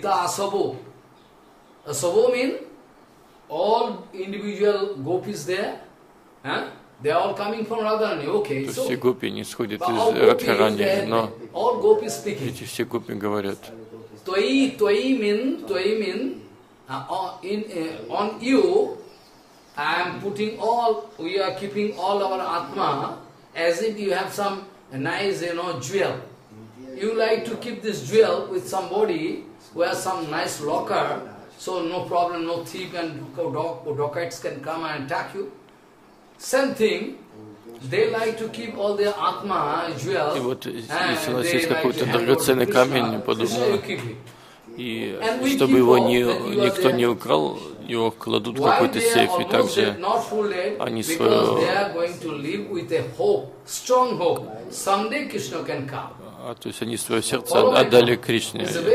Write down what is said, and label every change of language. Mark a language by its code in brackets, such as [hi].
[en] Асабо means all individual gopis there, they are all coming from Radharani. Okay. [ru] То есть все гопи не сходят из Радхарани, но эти все гопи говорят. [en] On you, I am putting all. We are keeping all our atma as if you have some nice, you know, jewel. You like to keep this jewel with somebody who has some nice locker, so no problem, no thief and dockets can come and attack you. Same thing. They like to keep all their atma jewel. [ru] И вот если у нас есть какой-то драгоценный камень, подумаю. И чтобы его никто не украл, его кладут в какой-то сейф, и также они свое сердце отдали Кришне.